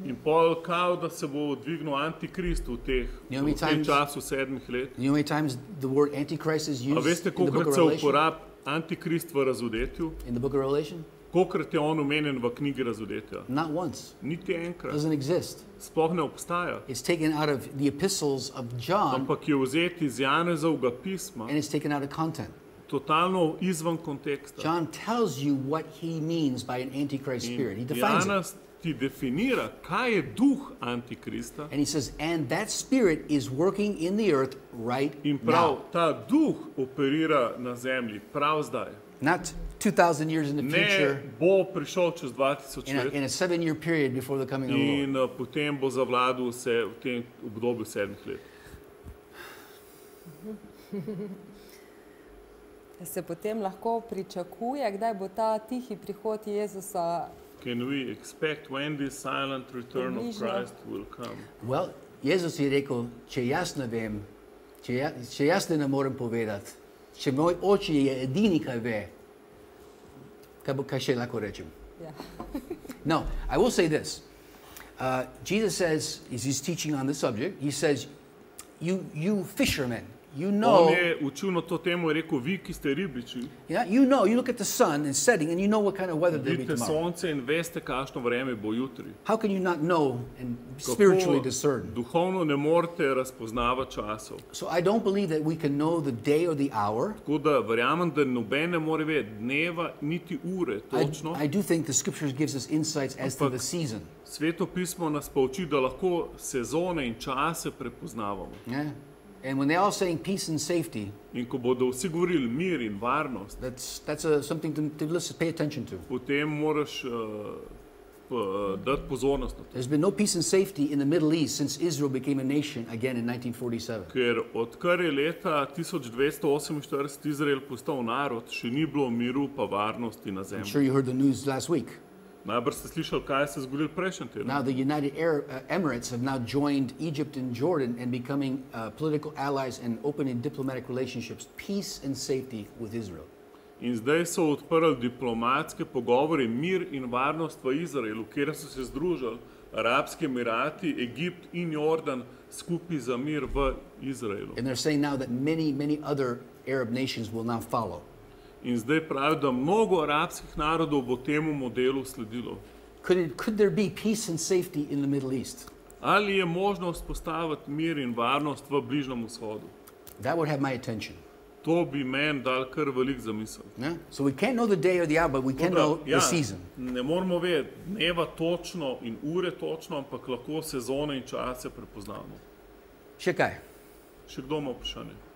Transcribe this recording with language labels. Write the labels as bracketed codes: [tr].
[sl] In pol kao da se bo odvignul antikrist v teh času sedmih let. [en] You know how many times the word antichrist is used? [sl] A veste, kolikrat se uporabi antikrist v razodetju? [en] In the book of Revelation? [sl] Kolikrat je on omenjen v knjigi razodetja? [en] Not once. [sl] Niti enkrat. [en] Doesn't exist. [sl] Sploh ne obstaja. [en] It's taken out of the epistles of John. [sl] Ampak je vzet iz Janezovega pisma. [en] And it's taken out of content. [sl] Totalno izvan konteksta. [en] John tells you what he means by an antichrist spirit. He defines it. [sl] Janez ti definira, kaj je duh antikrista. [en] And he says, and that spirit is working in the earth right now. [sl] In prav ta duh operira na zemlji, prav zdaj. [en] Not 2,000 years in the future. [sl] Ne bo prišel čez 2,000 let. [en] In a 7 year period before the coming of the Lord. [sl] In potem bo zavladil se v tem obdobju sedmih let. Se potem lahko pričakuje, kdaj bo ta tihi prihod Jezusa? [en] Can we expect when this silent return of Christ will come? [sl] Well, Jezus je rekel, če jaz ne vem, če jaz ne morem povedati, če moj oči je edini, kaj ve, kaj še lahko rečem? [en] Yeah. No, I will say this. Jesus says, as he's teaching on the subject, he says, you fishermen, you know, [sl] on je učil na to temo, je rekel, vi, ki ste ribiči. [en] Yeah, you know, you look at the sun and setting and you know what kind of weather there'll be tomorrow. [sl] Vidite sonce in veste, kakšno vreme bo jutri. [en] How can you not know and spiritually discern? [sl] Kako duhovno ne morete razpoznavati časov. [en] So I don't believe that we can know the day or the hour. [sl] Tako da verjamem, da noben ne more vedeti dneva niti ure točno. [en] I do think the scriptures gives us insights as to the season. [sl] Sveto pismo nas pa uči, da lahko sezone in čase prepoznavamo. [en] Yeah. And when they all saying peace and safety, [sl] in ko bodo vsi govorili mir in varnost, [en] that's something to listen, pay attention to. [sl] Potem moraš dati pozornost na to. [en] There's been no peace and safety in the Middle East since Israel became a nation again in 1947. [sl] Ker odkar je leta 1948 Izrael postal narod, še ni bilo miru pa varnosti na zemlji. [en] I'm sure you heard the news last week. [sl] Najbrž ste slišali, kaj se zgodilo prejšnji teden. [en] Now the United Arab Emirates have now joined Egypt and Jordan and becoming political allies and opening diplomatic relationships, peace and safety with Israel. [sl] In zdaj so odprli diplomatske pogovore, mir in varnost v Izraelu, kjer so se združili Arabski Emirati, Egipt in Jordan skupaj za mir v Izraelu. [en] And they're saying now that many other Arab nations will now follow. [sl] In zdaj pravi, da mnogo arabskih narodov bo temu modelu sledilo. [en] Could there be peace and safety in the Middle East? [sl] Ali je možno vzpostaviti mir in varnost v Bližnjem vzhodu? [en] That would have my attention. [sl] To bi meni dal kar velik zamisel. [en] Yeah? So we can't know the day or the hour, but we can know the season. [sl] Ne moramo vedeti dneva točno in ure točno, ampak lahko sezone in čase prepoznamo. Še kaj? Še kdo ima vprašanje?